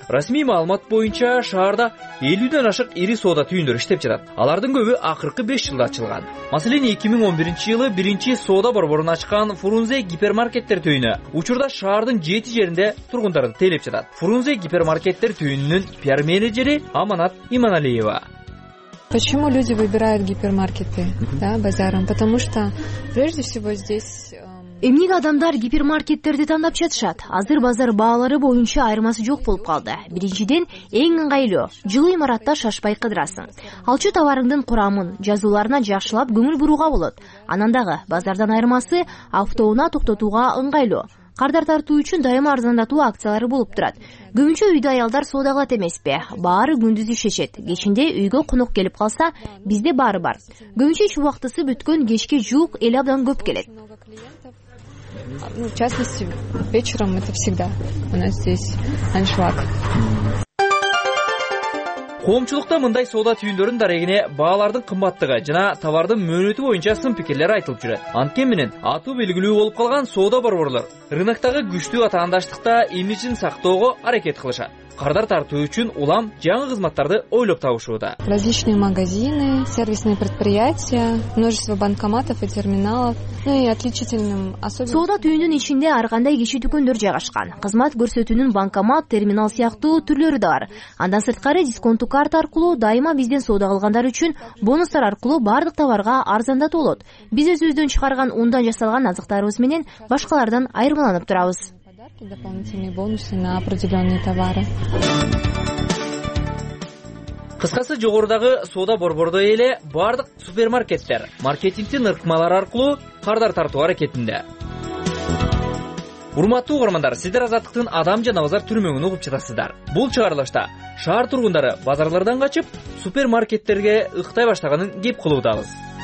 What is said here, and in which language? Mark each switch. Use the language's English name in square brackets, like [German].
[Kyrgyz] Расмий маалымат боюнча шаарда 50-дөн ашык ири соода түйүндөрү иштеп жатат. Алардын көбү акыркы 5 жылда ачылган. Маселен, 2011-жылы биринчи соода борборун ачкан Фурунзе гипермаркеттер түйүнү учурда шаардын 7 жеринде тургундарды тейлеп жатат. Фурунзе гипермаркеттер түйүнүнүн пиар менеджери Аманат Иманалиева. [Russian] Почему люди выбирают гипермаркеты, да, базарам? Потому что прежде всего здесь [Kyrgyz] эмнеге адамдар гипермаркеттерди тандап жатышат? Азыр базар баалары боюнча айырмасы жок болуп калды. Биринчиден эң ыңгайлуу. Жылуу имаратта шашпай кыдырасың. Алчу товарыңдын курамын, жазууларына жакшылап көңүл бурууга болот. Анан дагы базардан айырмасы автоуна токтотууга ыңгайлуу. Кардар тартуу үчүн дайыма арзандатуу акциялары болуп турат. Көбүнчө үйдө аялдар соода кылат эмеспи? Баары күндүз ишечет. Кечинде үйгө конок келип калса, бизде баары бар. Көбүнчө иш убактысы бүткөн кечке жуук эл абдан көп келет. [Russian] В частности, вечером это всегда у нас здесь аншлаг. [Kyrgyz] Коомчулукта мындай соода түйүндөрүн дарегине баалардын кымбаттыгы жана товардын мөөнөтү боюнча сын пикирлер айтылып жүрөт. Анткен менен аты белгилүү болуп калган соода борборлор рынактагы күчтүү атаандаштыкта имиджин сактоого аракет кылышат. Кардар тартуу үчүн улам жаңы кызматтарды ойлоп табышууда. [Russian] Различные магазины, сервисные предприятия, множество банкоматов и терминалов. Ну и отличительным особенностью. [Kyrgyz] Соода түйүнүн ичинде ар кандай киши дүкөндөр жайгашкан. Кызмат көрсөтүүнүн банкомат, терминал сыяктуу түрлөрү да бар. Андан сырткары дисконттук карта аркылуу дайыма бизден соода кылгандар үчүн бонустар аркылуу бардык товарга арзандатуу болот. Биз өзүбүздөн чыгарган ундан жасалган азыктарыбыз менен башкалардан айырмаланып турабыз. [Russian] Дополнительные бонусы на определенные товары. [Kyrgyz] Кыскасы, жогорудагы соода борбордой эле бардык супермаркеттер маркетингтин ыркмалары аркылуу кардар тартуу аракетинде. Урматтуу угармандар, сиздер Азаттыктын адам жана базар түрмөгүн угуп жатасыздар. Бул чыгарылышта шаар тургундары базарлардан качып, супермаркеттерге ыктай баштаганын кеп кылуудабыз.